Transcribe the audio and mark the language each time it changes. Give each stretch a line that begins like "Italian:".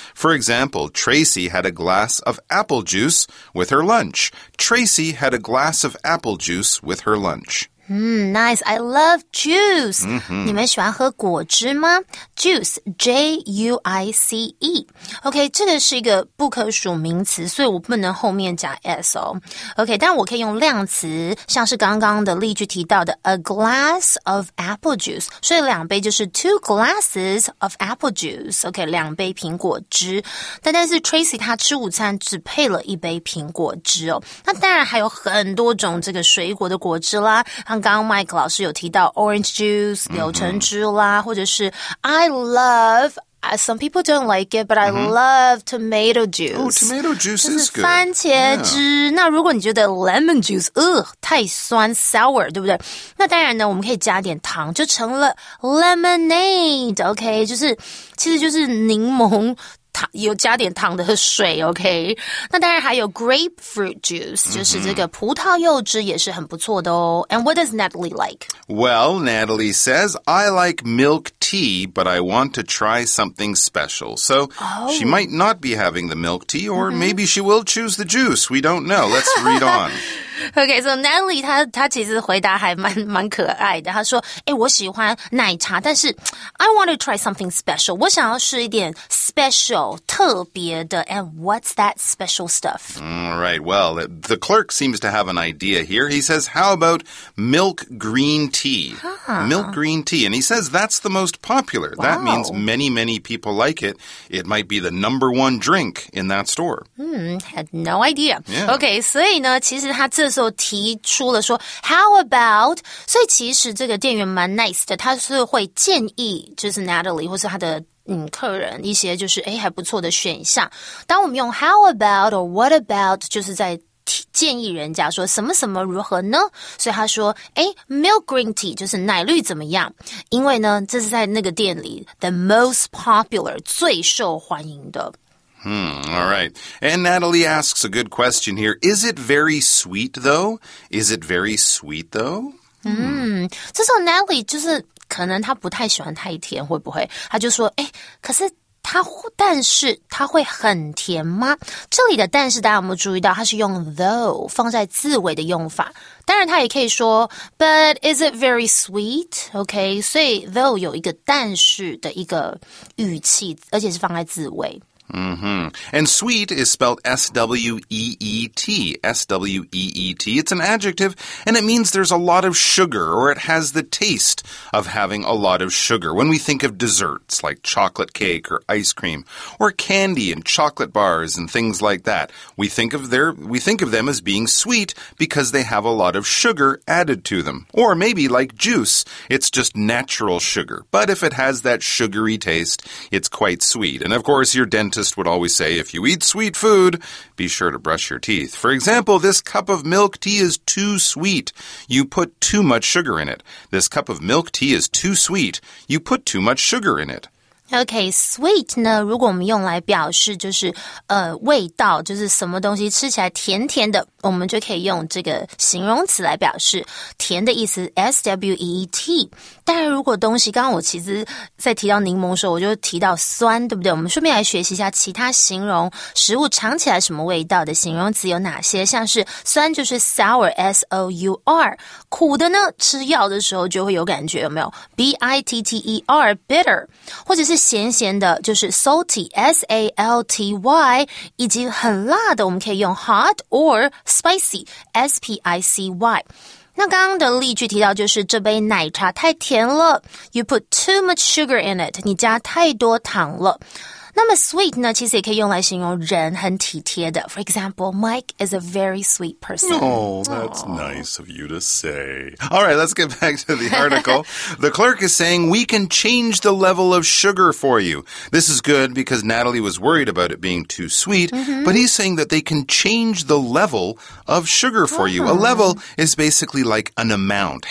English: For example, Tracy had a glass of apple juice with her lunch. Tracy had a glass of apple juice with her lunch. Nice. I love juice.、Mm-hmm.
Chinese: 你们喜欢喝果汁吗
English: ?Juice, J-U-I-C-E.
Chinese: OK, 这个是一个不可数名词，所以我不能后面加 S 哦。 OK, 但我可以用量词，像是刚刚的例句提到的
English: a glass of apple juice.
Chinese: 所以两杯就是
English: two glasses of apple juice.
Chinese: OK, 两杯苹果汁。但是 Tracy 他吃午餐只配了一杯苹果汁哦。那当然还有很多种这个水果的果汁啦。像刚刚 Mike 老师有提到
English: orange juice,
Chinese: 柳橙汁啦、
English: mm-hmm.
Chinese: 或者是
English: I love, some people don't like it, but I、mm-hmm. love tomato juice. Oh, tomato juice is good.
Chinese: 番茄汁、yeah. 那如果你觉得 lemon juice, 太酸 sour, 对不对那当然呢我们可以加点糖就成了 lemonade, OK, 就是其实就是柠檬有加点糖的水 ,OK? 那当然还有 grapefruit juice, 就是这个葡萄柚汁也是很不错的哦。
English: And what does Natalie like? Well, Natalie says, I like milk tea, but I want to try something special. So,、oh. she might not be having the milk tea, or、mm-hmm. maybe she will choose the juice. We don't know. Let's read on. OK, so
Chinese: Natalie, 她其实回答还蛮可爱的。她说、欸、我喜欢奶茶但是
English: I want to try something special.
Chinese: 我想要试一点 special, 特别的
English: And what's that special stuff? All right, well, the clerk seems to have an idea here. He says, how about milk green tea?、 Huh. Milk green tea. And he says, that's the most popular.、 Wow. That means many, many people like it. It might be the number one drink in that store.、 Had no idea.、 Yeah.
Chinese: OK, 所以呢其实他这时候提出了说
English: How about
Chinese: 所以其实这个店员蛮 nice 的他是会建议就是 Natalie 或是他的、客人一些就是诶还不错的选项当我们用
English: How about or what about
Chinese: 就是在建议人家说什么什么如何呢所以他说诶 Milk green tea 就是奶绿怎么样因为呢这是在那个店里
English: The most popular
Chinese: 最受欢迎的
English: All right. And Natalie asks a good question here. Is it very sweet, though? Is it very sweet, though?
Chinese: 这时候 Natalie 就是可能她不太喜欢太甜，会不会？她就说，可是但是它会很甜吗？这里的但是大家有没有注意到它是用 though 放在字尾的用法，当然它也可以说
English: but is it very sweet?
Chinese: OK, 所以 though 有一个但是的一个语气，而且是放在字尾。
English: Mm-hmm. And sweet is spelled S-W-E-E-T, S-W-E-E-T. It's an adjective, and it means there's a lot of sugar, or it has the taste of having a lot of sugar. When we think of desserts like chocolate cake or ice cream, or candy and chocolate bars and things like that, we think of them as being sweet because they have a lot of sugar added to them. Or maybe like juice, it's just natural sugar. But if it has that sugary taste, it's quite sweet. And of course, your dentist would always say, if you eat sweet food, be sure to brush your teeth. For example, this cup of milk tea is too sweet. You put too much sugar in it. This cup of milk tea is too sweet. You put too much sugar in it.
Chinese: Okay, sweet 呢，如果我们用来表示就是味道，就是什么东西吃起来甜甜的，我们就可以用这个形容词来表示甜的意思 ,S-W-E-E-T。但是如果东西，刚刚我其实在提到柠檬的时候，我就提到酸，对不对？我们顺便来学习一下其他形容食物尝起来什么味道的形容词有哪些，像是酸就是 sour, S-O-U-R, 苦的呢，吃药的时候就会有感觉，有没有 ?B-I-T-T-E-R, bitter, 或者是咸咸的就是 salty, S-A-L-T-Y, 以及很辣的我们可以用 hot or spicy, S-P-I-C-Y。那刚刚的例句提到就是这杯奶茶太甜了
English: You put too much sugar in it
Chinese: 你加太多糖了那么 sweet 呢其实也可以用来形容人很体贴的
English: For example, Mike is a very sweet person Oh, that's nice of you to say Alright, let's get back to the article The clerk is saying We can change the level of sugar for you This is good because Natalie was worried about it being too sweet、mm-hmm. But he's saying that they can change the levelof sugar for you. A level is basically like an amount.